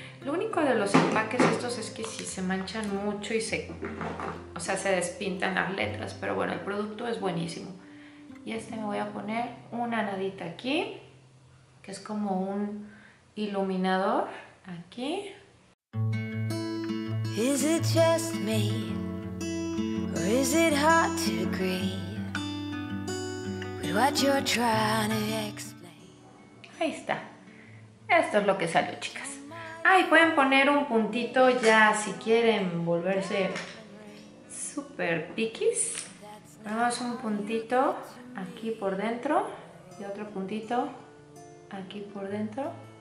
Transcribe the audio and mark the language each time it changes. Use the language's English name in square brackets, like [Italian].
[Spanish] Lo único de los empaques estos es que sí se manchan mucho y se despintan las letras, pero bueno, el producto es buenísimo. Y este me voy a poner una nadita aquí, que es como un iluminador aquí. [English] Is it just me or is it hard to agree with what you're trying to explain? [Spanish] Ahí está. Esto es lo que salió, chicas. Ay, pueden poner un puntito ya si quieren volverse super piquis. Ponemos un puntito aquí por dentro y otro puntito aquí por dentro.